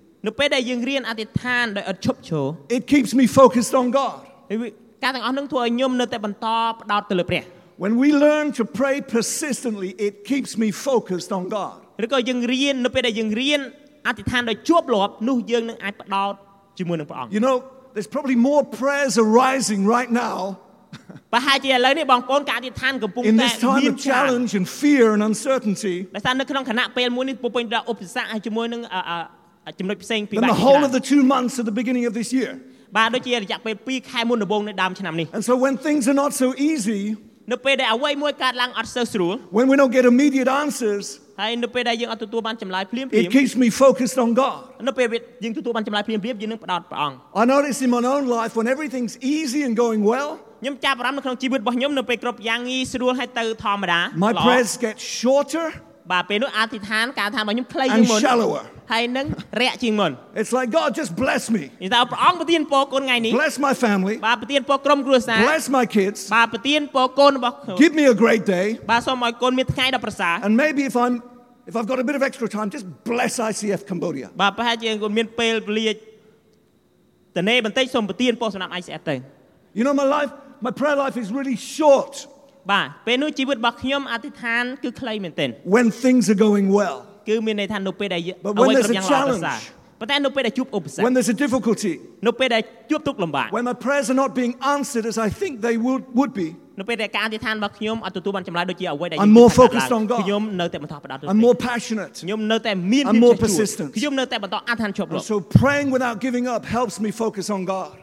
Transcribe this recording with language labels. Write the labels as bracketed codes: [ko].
[km] នៅពេលដែលយើងរៀនអធិដ្ឋានដោយឥតឈប់ឈរ [en] It keeps me focused on God [km] ការទាំងអស់នឹងធ្វើឲ្យខ្ញុំនៅតែបន្តផ្ដោតទៅលើព្រះ [en] When we learn to pray persistently it keeps me focused on God [km] ឬក៏យើងរៀននៅពេលដែលយើងរៀនអធិដ្ឋានដោយជាប់លាប់នោះយើងនឹងអាចផ្ដោតជាមួយនឹងព្រះអង្គ [en] You know there's probably more prayers arising right now [km] បើហើយជាឥឡូវនេះបងប្អូនការអធិដ្ឋានកំពុងតែមានការ [en] challenge and fear and uncertainty [km] ដែលស្ថិតនៅក្នុងគណៈពេលមួយនេះពុពេញដោយឧបសគ្គហើយជាមួយនឹងចំណុចផ្សេងពីបាក់ [en] The whole of the 2 months at the beginning of this year [km] បាទដូចជារយៈពេល2ខែមុនដំបូងនៃដើមឆ្នាំនេះ [en] And so when things are not so easy [km] នៅពេលដែលអ្វីមួយកើតឡើងអត់សូវស្រួល [en] When we don't get immediate answers [km] ហើយនៅពេលដែលយើងអត់ទទួលបានចម្លើយភ្លាម [en] ៗ It keeps me focused on God [km] នៅពេលយើងទទួលបានចម្លើយភ្លាមៗយើងនឹងផ្ដោតព្រះអង្គ [en] I notice in my own life when everything's easy and going well [km] ខ្ញុំចាប់អារម្មណ៍នៅក្នុងជីវិតរបស់ខ្ញុំនៅពេលគ្រប់យ៉ាងងាយស្រួលហើយទៅធម្មតា [en] My prayers get shorter [km] បាទពេលនោះអធិដ្ឋានការថារបស់ខ្ញុំខ្លី ជាងមុន ហើយនឹងរាក់ជាងមុន [en] It's like God just bless me [km] ខ្ញុំថាព្រះអង្គប្រទានពរកូនថ្ងៃនេះ [en] Bless my family [km] បាទប្រទានពរក្រុមគ្រួសារ [en] Bless my kids [km] បាទប្រទានពរកូនរបស់ខ្ញុំ [en] Give me a great day [km] បាទសូមឲ្យកូនមានថ្ងៃដ៏ប្រសើរ [en] And maybe if I've got a bit of extra time just bless ICF Cambodia [km] បាទប្រហែលជាកូនមានពេលពលាតនេបន្តិចសូមប្រទានពរសម្រាប់ ICF ទៅ [en] You know my prayer life is really short [km] បាទពេលនោះជីវិតរបស់ខ្ញុំអធិដ្ឋានគឺខ្លីមែនទែន [en] When things are going well [km] គឺមានន័យថានៅពេលដែលអ្វីគ្រប់យ៉ាងល្អប្រសើរ [en] When there's a difficulty, when my prayers are not being answered as I think they would be, I'm more focused on God. I'm more passionate. I'm more persistent. And so praying without giving up helps me focus on God.